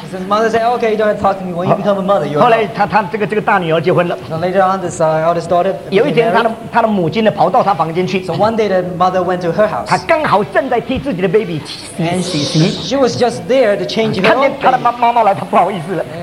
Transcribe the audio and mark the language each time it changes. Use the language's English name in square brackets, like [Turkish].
[English] He says, mother said, okay, you don't have to talk to me when you become a mother. [Chinese] 后来，他这个大女儿结婚了。 [English] So later on, this eldest daughter. [Chinese] 有一天，他的母亲呢跑到他房间去。 [English] So one day, the mother went to her house. [Chinese] 她刚好正在替自己的 baby 洗洗洗。 [English] She was just there to change her own. [Chinese] 看见她的妈妈来，她不好意思了。